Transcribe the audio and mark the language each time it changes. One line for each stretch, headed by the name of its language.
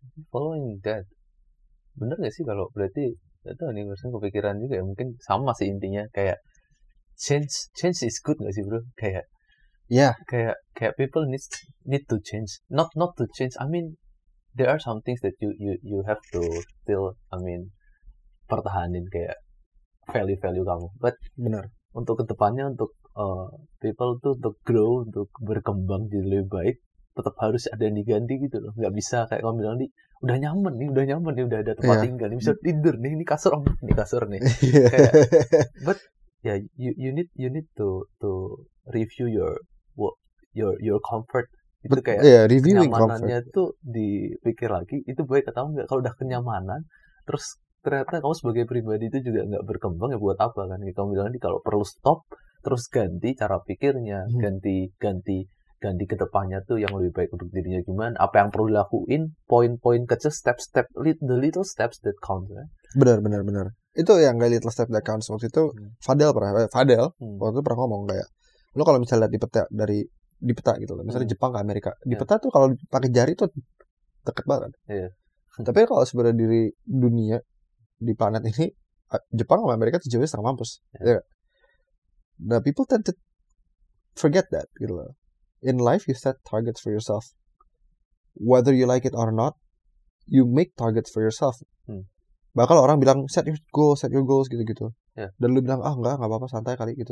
Indonesian: Following that, benar nggak sih kalau berarti itu nih gue sering kepikiran juga ya, mungkin sama sih intinya kayak
English: change is good
Indonesian: nggak sih bro? Kayak kayak
English: people need to change, not to change. I mean, there are some things that you have to still, I mean,
Indonesian: pertahanin kayak value kamu.
English: But
Indonesian: benar, untuk kedepannya, untuk people tuh untuk grow, untuk berkembang jadi lebih baik, tetap harus ada yang diganti gitu loh. Gak bisa kayak kamu bilang udah nyaman nih, udah ada tempat tinggal nih, bisa tidur nih, ini kasur nih. Kayak,
English: but yeah, you need to review your comfort.
Indonesian: Itu kayak kenyamanannya tuh dipikir lagi, itu baik atau enggak. Kalau udah kenyamanan, terus ternyata kamu sebagai pribadi itu juga nggak berkembang, ya buat apa kan? Kamu bilang nih kalau perlu stop, terus ganti cara pikirnya, ganti dan di kedepannya tuh yang lebih baik untuk dirinya gimana, apa yang perlu dilakuin, poin-poin kecil, step-step,
English: the little steps that count, right?
Indonesian: Benar. Itu yang gak
English: little step that counts
Indonesian: waktu itu, Fadel waktu itu pernah ngomong kayak, lo kalau misalnya lihat di peta dari di peta gitu loh, misalnya Jepang ke Amerika, di peta tuh kalau pakai jari tuh deket banget. Tapi kalau sebenarnya diri dunia di planet ini, Jepang sama Amerika tuh jauhnya setengah mampus.
English: The people tend to forget that
Indonesian: gitu loh.
English: In life you set targets for yourself, whether you like it or not, you make targets for yourself.
Indonesian: Bahkan orang bilang
English: set your goals
Indonesian: gitu-gitu. Dan lu bilang, ah enggak apa-apa, santai kali gitu.